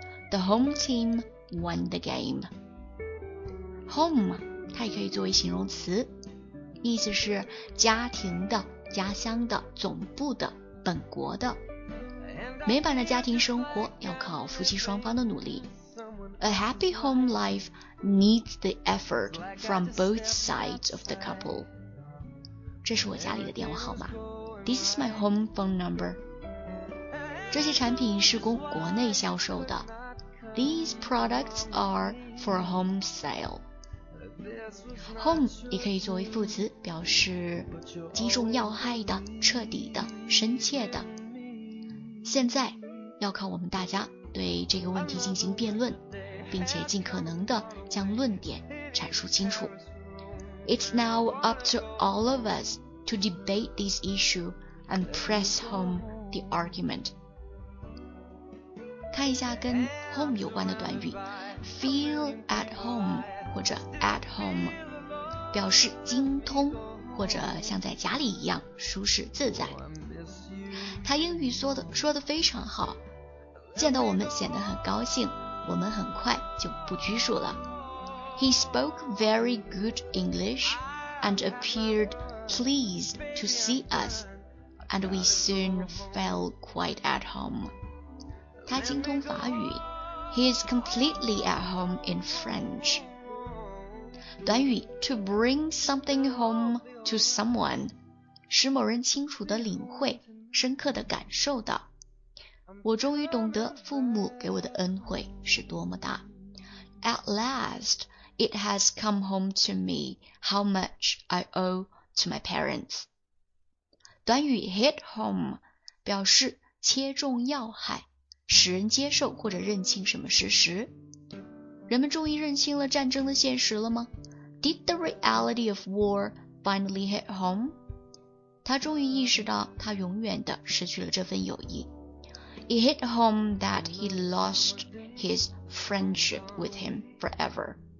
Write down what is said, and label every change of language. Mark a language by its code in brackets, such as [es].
[en] The home team won the game. [zh] Home, 它也可以作为形容词，意思是家庭的、家乡的、总部的、本国的。美满的家庭生活要靠夫妻双方的努力。 [en] A happy home life needs the effort from both sides of the couple. [zh] 这是我家里的电话号码。 [en] This is my home phone number. [zh] 这些产品是供国内销售的。 [en] These products are for home sale. [zh] Home 也可以作为副词，表示击中要害的、彻底的、深切的。现在要靠我们大家对这个问题进行辩论，并且尽可能地将论点阐述清楚。 [en] It's now up to all of us to debate this issue and press home the argument. [zh] 看一下跟 home 有关的短语 ，feel at home 或者 at home， 表示精通或者像在家里一样舒适自在。他英语说的非常好，见到我们显得很高兴，我们很快就不拘束了。 [en] He spoke very good English and appeared pleased to see us, and we soon felt quite at home. [zh] 他精通法语 [en] ，He is completely at home in French. [zh] 短语 [en] to bring something home to someone， [zh] 使某人清楚地领会。深刻地感受到，我终于懂得父母给我的恩惠是多么大。 [en] At last, it has come home to me how much I owe to my parents. [zh] 短语 hit home 表示切中要害，使人接受或者认清什么事实。人们终于认清了战争的现实了吗？ [en] Did the reality of war finally hit home? [zh] 他终于意识到他永远地失去了这份友谊。 [en] It hit home that he lost his friendship with him forever.